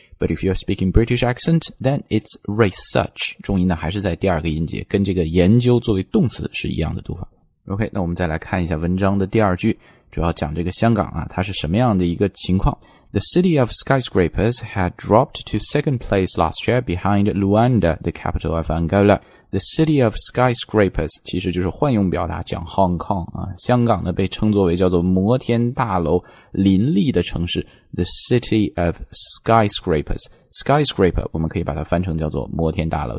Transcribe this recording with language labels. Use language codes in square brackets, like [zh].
[en] But if you're speaking British accent, then it's research. [zh] 重音呢还是在第二个音节，跟这个研究作为动词是一样的读法。 OK, 那我们再来看一下文章的第二句，主要讲这个香港啊，它是什么样的一个情况。 [en] The city of skyscrapers had dropped to second place last year behind Luanda, the capital of Angola. The city of skyscrapers [zh] 其实就是惯用表达讲 Hong Kong,、啊、香港呢被称作为叫做摩天大楼林立的城市。 [en] The city of skyscrapers. Skyscraper, [zh] 我们可以把它翻成叫做摩天大楼。